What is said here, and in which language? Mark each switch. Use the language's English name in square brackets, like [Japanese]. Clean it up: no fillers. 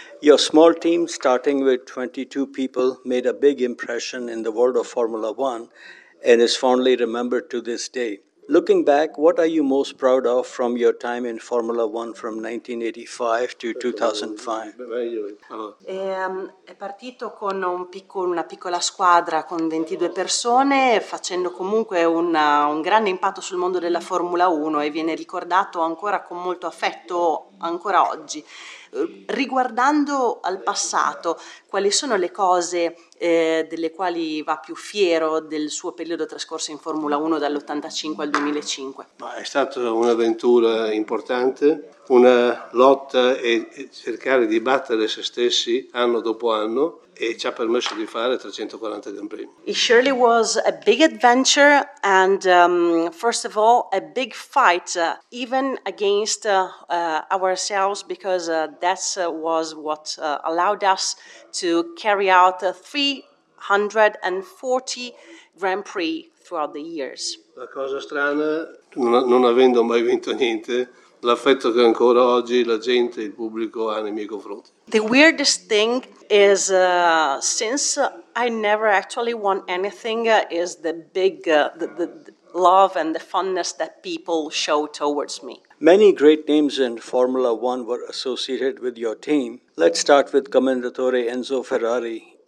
[English] Your small team, starting with 22 people, made a big impression in the world of Formula One and is fondly remembered to this day. Looking back, what are you most proud of from your time in Formula One from 1985 to 2005? [Italian] È partito con una piccola squadra con 22 persone, facendo comunque un grande impatto sul mondo della Formula 1, e viene ricordato ancora con molto affetto ancora oggi. Riguardando al passato, quali sono le cose delle quali va più fiero del suo periodo trascorso in Formula 1 dall'85 al 2005? Ma è stata un'avventura importante, una lotta e cercare di battere se stessi anno dopo anno, e ci ha permesso di fare 340 Gran Premi. [English] It surely was a big adventure and first of all a big fight even against ourselves, because that was what allowed us to carry out 340 Grand Prix throughout the years. [Italian] La cosa strana, non avendo mai vinto niente, l'affetto che ancora oggi la gente, il pubblico ha nei miei confronti. [English] The weirdest thing is, since I never actually won anything, is the big the love and the fondness that people show towards me. Many great names in Formula One were associated with your team. Let's start with Commendatore Enzo Ferrari,